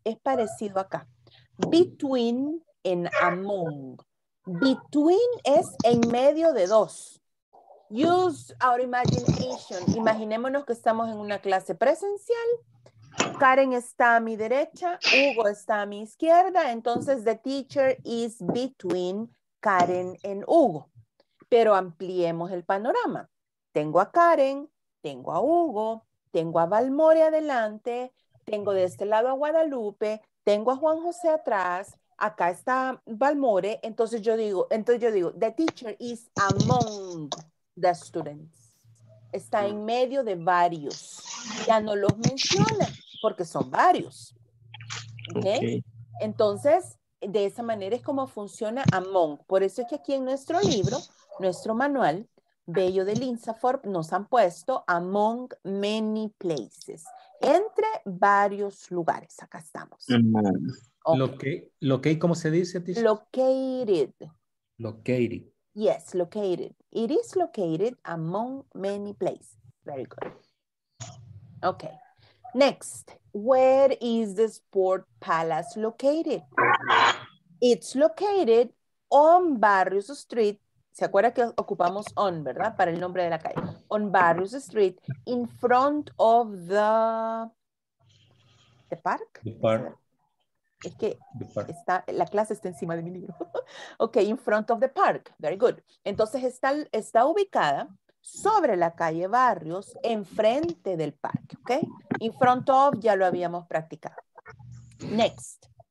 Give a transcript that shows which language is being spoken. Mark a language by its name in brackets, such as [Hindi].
[Spanish] Es parecido acá. Between en among. Between es en medio de dos. [English] Use our imagination. [Spanish] Imaginémonos que estamos en una clase presencial. Karen está a mi derecha, Hugo está a mi izquierda. [English] Entonces, the teacher is between Karen and Hugo. [Spanish] Pero ampliemos el panorama. Tengo a Karen, tengo a Hugo, tengo a Balmore adelante, tengo de este lado a Guadalupe, tengo a Juan José atrás. Acá está Balmore. Entonces yo digo, [English] the teacher is among the students. [Spanish] Está en medio de varios. Ya no los menciona porque son varios. ¿Okay? Entonces, de esa manera es como funciona among. Por eso es que aquí en nuestro libro, nuestro manual, Bello del INSAFORP, nos han puesto [English] among many places. [Spanish] Entre varios lugares. Acá estamos. Okay. Located, ¿cómo se dice? [English] Located. Located. Yes, located. It is located among many places. Very good. Okay. Next, where is the Sport Palace located? It's located on Barrios Street, [Spanish] ¿Se acuerda que ocupamos on, verdad? Para el nombre de la calle. [English] On Barrios Street, in front of the park. The park. [Spanish] Es que está, la clase está encima de mi libro. [English] Ok, in front of the park. Very good. [Spanish] Entonces está ubicada sobre la calle Barrios, enfrente del parque. [English] Ok. In front of, [Spanish] ya lo habíamos practicado. [English] Next.